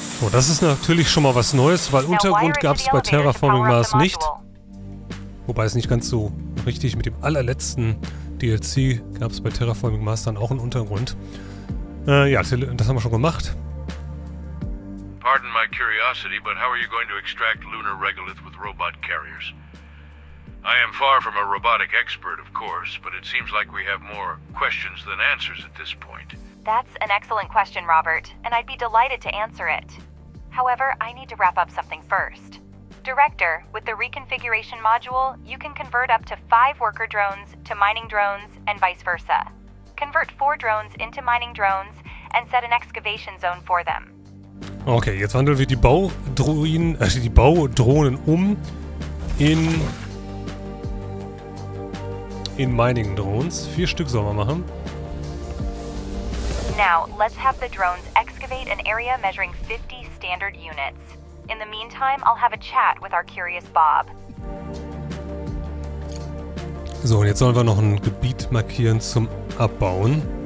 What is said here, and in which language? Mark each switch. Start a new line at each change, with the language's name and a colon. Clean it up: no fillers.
German: Das ist natürlich schon mal was Neues, weil Untergrund gab es bei Terraforming Mars nicht. Wobei es nicht ganz so richtig mit dem allerletzten DLC gab es bei Terraforming Mars dann auch einen Untergrund. Das haben wir schon gemacht.
English: Pardon my curiosity, but how are you going to extract lunar regolith with robot carriers? I am far from a robotic expert, of course, but it seems like we have more questions than answers at this point. That's an excellent question, Robert, and I'd be delighted to answer it. However, I need to wrap up something first. Director, with the reconfiguration module, you can convert up to 5 worker drones to mining drones and vice versa. Convert 4 drones into mining drones and set an excavation zone for them.
German: Okay, jetzt wandeln wir die Baudrohnen um in mining drones. 4 Stück sollen wir machen.
English: Now, let's have the drones excavate an area measuring 50 standard units. In the meantime, I'll have a chat with our curious Bob.
German: So, und jetzt sollen wir noch ein Gebiet markieren zum Abbauen.